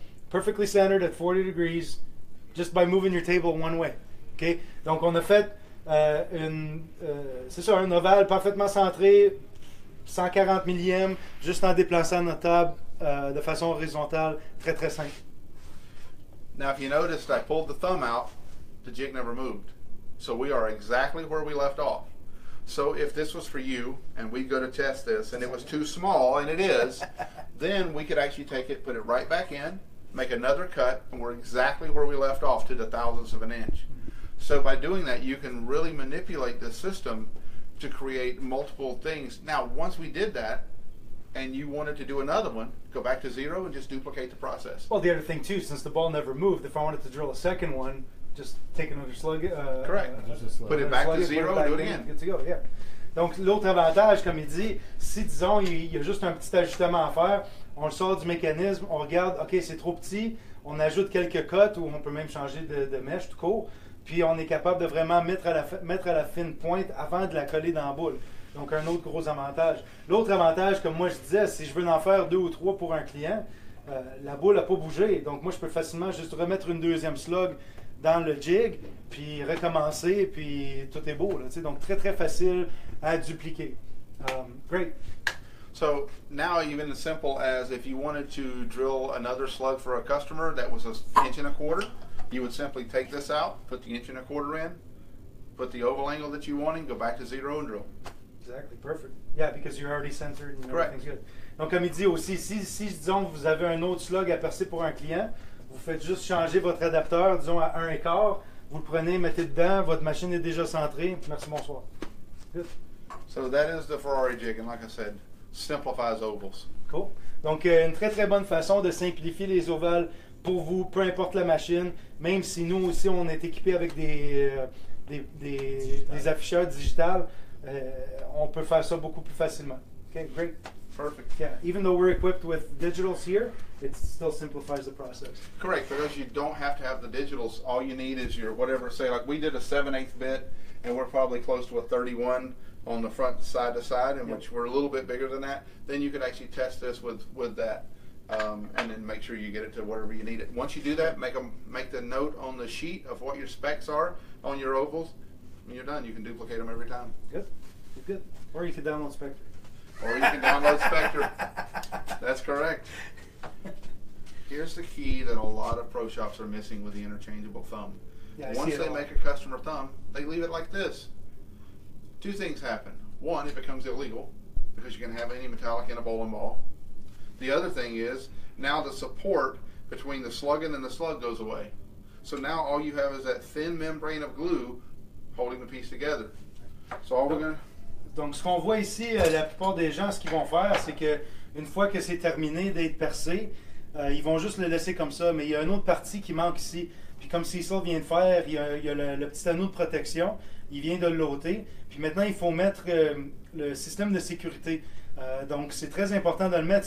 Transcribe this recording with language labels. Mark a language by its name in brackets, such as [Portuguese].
[English] Perfectly centered at 40 degrees just by moving your table one way. Okay? [French] Donc, on a fait un ovale parfaitement centré, 140 millième, juste en déplaçant notre table de façon horizontale, très très simple. [English] Now, if you noticed, I pulled the thumb out, the jig never moved. So we are exactly where we left off. So if this was for you, and we'd go to test this, and it was too small, and it is, then we could actually take it, put it right back in, make another cut, and we're exactly where we left off to the thousandths of an inch. So by doing that, you can really manipulate the system to create multiple things. Now, once we did that, and you wanted to do another one, go back to zero and just duplicate the process. Well, the other thing too, since the ball never moved, if I wanted to drill a second one, just take another slug. Correct. Put it back to zero and do it again. Good to go, yeah. [French] Donc, l'autre avantage, comme il dit, si disons, il y a juste un petit ajustement à faire, on le sort du mécanisme, on regarde, OK, c'est trop petit, on ajoute quelques cotes ou on peut même changer de mèche tout court, puis on est capable de vraiment mettre à la fine pointe avant de la coller dans la boule. Donc, un autre gros avantage. L'autre avantage, comme moi je disais, si je veux en faire deux ou trois pour un client, la boule n'a pas bougé, donc moi je peux facilement juste remettre une deuxième slug dans le jig, puis recommencer, puis tout est beau, là, tu sais, donc très très facile à dupliquer. [English] Great. So now even as simple as if you wanted to drill another slug for a customer that was an inch and a quarter, you would simply take this out, put the inch and a quarter in, put the oval angle that you want in, go back to zero and drill. Exactly, perfect. Yeah, because you're already centered and everything's good. [French] Donc comme il dit aussi, si disons vous avez un autre slug à percer pour un client, vous faites juste changer votre adapteur, disons à 1 1/4, vous le prenez, mettez dedans, votre machine est déjà centrée. Merci, bonsoir. [English] Good. So that is the Ferrari jig, and like I said, simplifies ovals. Cool. [French] Donc une très très bonne façon de simplifier les ovales pour vous, peu importe la machine, même si nous aussi on est équipé avec des afficheurs digitales, on peut faire ça beaucoup plus facilement. [English] Okay, great. Perfect. Yeah, even though we're equipped with digitals here, it still simplifies the process. Correct, because you don't have to have the digitals. All you need is your whatever, say, like we did a 7/8 bit, and we're probably close to a 31 on the front side to side, and which we're a little bit bigger than that. Then you could actually test this with that, and then make sure you get it to wherever you need it. Once you do that, make the note on the sheet of what your specs are on your ovals, and you're done. You can duplicate them every time. Good. Or you could download Spectre. Or you can download Spectre. That's correct. Here's the key that a lot of pro shops are missing with the interchangeable thumb. Yeah, once they make a customer thumb, they leave it like this. Two things happen. One, it becomes illegal because you can have any metallic in a bowling ball. The other thing is now the support between the slugging and the slug goes away. So now all you have is that thin membrane of glue holding the piece together. So all we're going to... [French] Donc, ce qu'on voit ici, la plupart des gens, ce qu'ils vont faire, c'est que une fois que c'est terminé d'être percé, ils vont juste le laisser comme ça. Mais il y a une autre partie qui manque ici. Puis comme Cecil vient de faire, il y a le petit anneau de protection. Il vient de l'ôter. Puis maintenant, il faut mettre le système de sécurité. Donc, c'est très important de le mettre.